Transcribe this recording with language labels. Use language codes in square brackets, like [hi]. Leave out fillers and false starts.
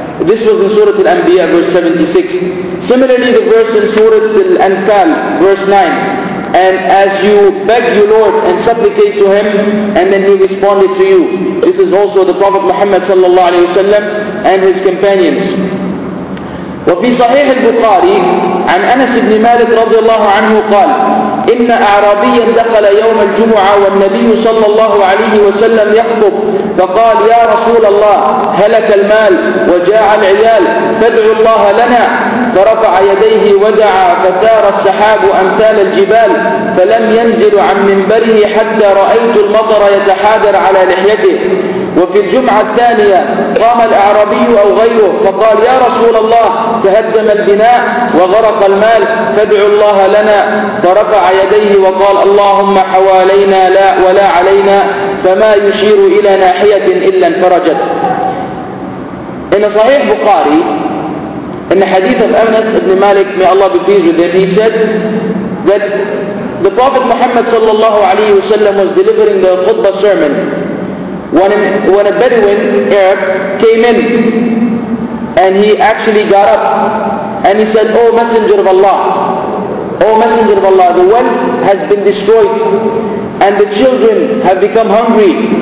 [en] This was in Surah Al-Anbiya, verse 76. Similarly, the verse in Surah Al-Anfal, verse 9. And as you beg your Lord and supplicate to him, and then he responded to you. This is also the Prophet Muhammad sallallahu alayhi wasallam and his companions. [ar] وفي صحيح البخاري عن أنس بن مالك رضي الله عنه قال إن أعرابيا دخل يوم الجمعة والنبي صلى الله عليه وسلم يخطب فقال يا رسول الله هلك المال وجاع العيال فادعوا الله لنا فرفع يديه ودعا فسار السحاب أمثال الجبال فلم ينزل عن منبره حتى رأيت المطر يتحادر على لحيته وفي الجمعة الثانية قام الأعرابي أو غيره فقال يا رسول الله تهدم البناء وغرق المال فادعوا الله لنا فرفع يديه وقال اللهم حوالينا لا ولا علينا فما يشير إلى ناحية إلا انفرجت. [en] In a Sahih Bukhari, in the hadith of Anas ibn Malik, may Allah be pleased with him, he said that the Prophet Muhammad sallallahu alayhi wa sallam was delivering the khutbah sermon when a Bedouin Arab came in, and he actually got up and he said, Oh Messenger of Allah, the well has been destroyed and the children have become hungry.